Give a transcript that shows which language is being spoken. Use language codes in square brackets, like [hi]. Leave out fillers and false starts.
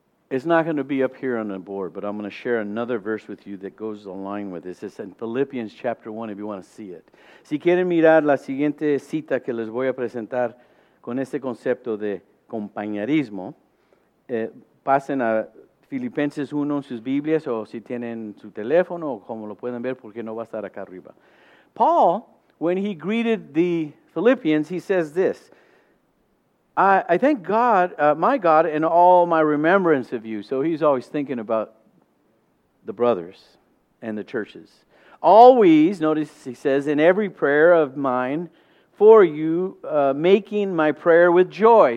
[en] It's not going to be up here on the board, but I'm going to share another verse with you that goes along with this. It's in Philippians chapter 1, if you want to see it. [es] Si quieren mirar la siguiente cita que les voy a presentar con este concepto de compañerismo, pasen a Filipenses 1 en sus Biblias o si tienen su teléfono o como lo pueden ver porque no va a estar acá arriba. [en] Paul, when he greeted the Philippians, he says this, I thank God, my God, in all my remembrance of you. So he's always thinking about the brothers and the churches. Always, notice he says, in every prayer of mine for you, making my prayer with joy.